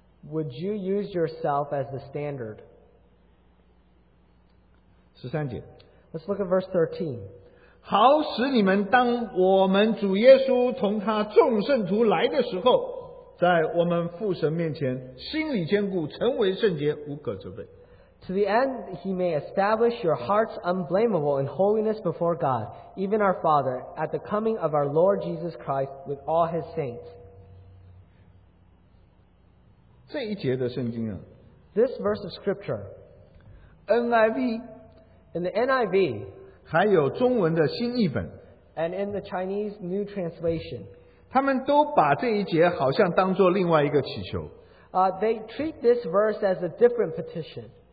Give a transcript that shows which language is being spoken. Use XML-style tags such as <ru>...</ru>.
<en>Would you use yourself as the standard?</en> <zh>13节,</zh> <en>Let's look at verse 13.</en> <zh>好使你们当我们主耶稣同他众圣徒来的时候, 在我们父神面前, 心里坚固, 成为圣洁, 无可责备。</zh> <en>To the end, he may establish your hearts unblameable in holiness before God, even our Father, at the coming of our Lord Jesus Christ with all his saints.</en> <zh>这一节的圣经啊,</zh> <en>this verse of scripture, NIV, in the NIV,</en> <zh>还有中文的新译本,</zh> <en>and in the Chinese New Translation,</en> <zh>他们都把这一节好像当作另外一个祈求,</zh> <en>they treat this verse as a different petition.</en>